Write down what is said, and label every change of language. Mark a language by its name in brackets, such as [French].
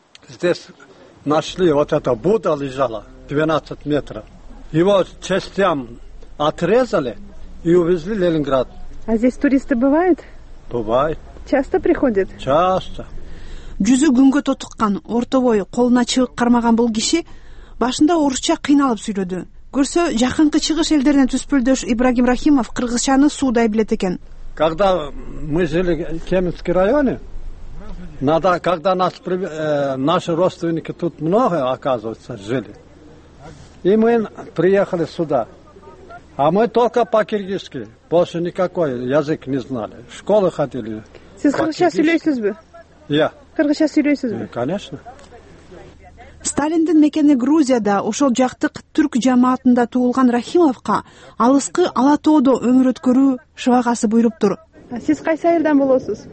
[Russian] Здесь нашли вот это Будда лежала 12 метров. Его частям отрезали и увезли в Ленинград. А здесь туристы бывают? Бывают. Часто приходят? Часто. [Kyrgyz] Жүзү күнгө тоткан, ортобой, колуна чыгып кармаган бул киши башында орусча кыйналып сүйлөдү. Көрсө жакынкы чыгыш элдеринен түспөлдөш Ибрагим Рахимов кыргызчаны суудай билет экен. [Russian] Когда мы жили в Кеминский районе, надо, когда нас, наши родственники тут много, оказывается, жили. И мы приехали сюда. А мы только по-киргизски, больше никакой язык не знали. В школы ходили. [Kyrgyz] Сиз кыргызча сүйлөйсүзбү? [Russian] Я. [Kyrgyz] Кыргызча сүйлөйсүзбү? [Russian] Конечно. [Kyrgyz] Сталиндин мекени Грузияда, ошол жактык түрк жамаатында туулган Рахимовко алыскы Ала Тоодо өмүр өткөрүү шыбагасы буйруптур. Сиз кайсы айылдан болосуз?